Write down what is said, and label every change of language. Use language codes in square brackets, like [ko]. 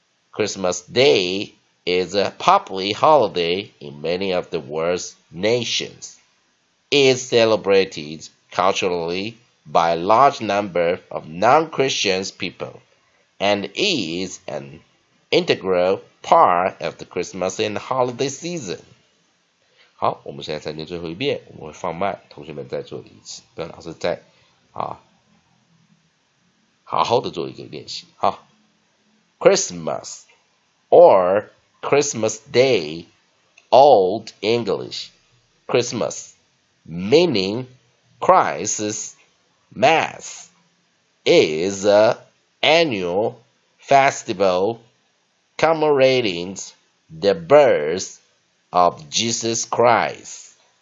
[en] Christmas Day is a popular holiday in many of the world's nations. is celebrated culturally by a large number of non-Christian people, and is an integral part of the Christmas and holiday season. [zh] 好，我们现在再念最后一遍，我们会放慢，同学们再做一次，跟老师再好好的做一个练习。好 [en] ，Christmas or Christmas Day, Old English, Christmas, meaning Christ's Mass, is an annual festival commemorating the birth of Jesus Christ,